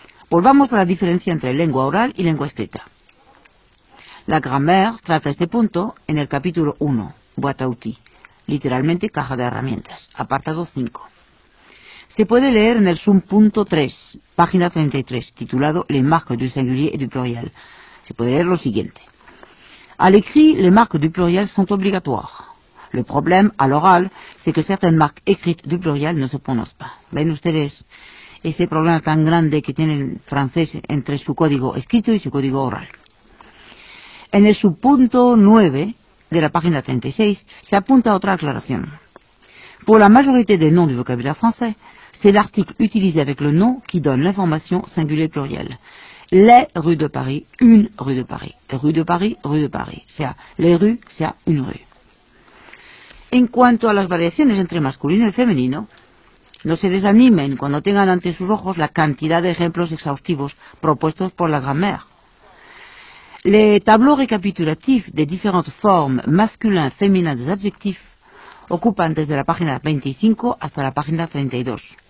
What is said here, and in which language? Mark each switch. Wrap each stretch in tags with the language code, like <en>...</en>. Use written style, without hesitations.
<es>Volvamos a la diferencia entre lengua oral y lengua escrita. La grammaire trata este punto en el capítulo 1, boîte à outils, literalmente caja de herramientas, apartado 5. Se puede leer en el subpunto 3, página 33, titulado Les marques du singulier et du pluriel. Se puede leer lo siguiente.</es> <fr>À l'écrit, les marques du pluriel sont obligatoires. Le problème, à l'oral, c'est que certaines marques écrites du pluriel ne se prononcent pas.</fr> <es>¿Ven ustedes ese problema tan grande que tiene el francés entre su código escrito y su código oral? En el subpunto 9 de la página 36 se apunta otra aclaración.</es> <fr>Pour la majorité des noms du vocabulaire français, c'est l'article utilisé avec le nom qui donne l'information singulier pluriel. Les rues de Paris, une rue de Paris. Rue de Paris, rue de Paris.</fr> <es>O sea, les rues, sea une rue. En cuanto a las variaciones entre masculino y femenino, no se desanimen cuando tengan ante sus ojos la cantidad de ejemplos exhaustivos propuestos por la grammaire.</es> <fr>Les tableaux récapitulatifs des différentes formes masculin-féminin des adjectifs</fr> <es>ocupan desde la página 25 hasta la página 32.</es>